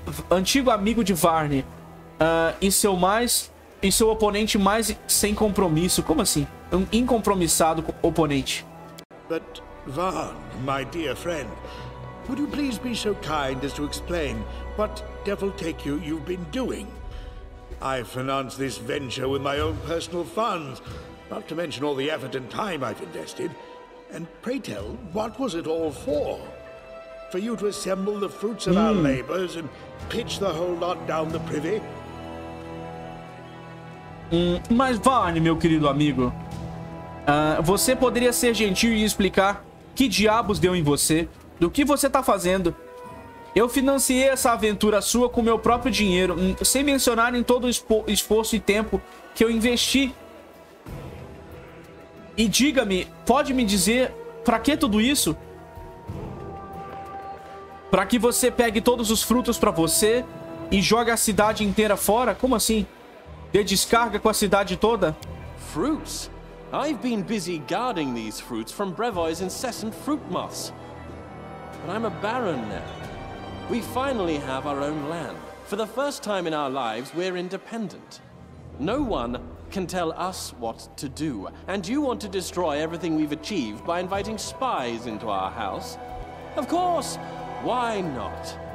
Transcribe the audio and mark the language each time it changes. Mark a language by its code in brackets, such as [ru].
[pt] Antigo amigo de Varne. E seu mais e seu oponente mais sem compromisso. Como assim? Um incompromissado oponente. [en] But Vaughn, my dear friend, would you please be so kind as to explain what devil take you you've been doing? I financed this venture with my own personal funds, not to mention all the effort and time I've invested. And pray tell, what was it all for? For you to assemble the fruits of our labors and pitch the whole lot down the privy? [pt] Mas Vaughn, meu querido amigo, você poderia ser gentil e explicar que diabos deu em você? Do que você tá fazendo? Eu financiei essa aventura sua com meu próprio dinheiro, sem mencionar em todo o esforço e tempo que eu investi. E diga-me, pode me dizer pra que tudo isso? Pra que você pegue todos os frutos pra você e jogue a cidade inteira fora? Como assim? Dê descarga com a cidade toda? Frutos? [en] I've been busy guarding these fruits from Brevoy's incessant fruit moths. But I'm a baron now. We finally have our own land. For the first time in our lives, we're independent. No one can tell us what to do. And you want to destroy everything we've achieved by inviting spies into our house? Of course! Why not?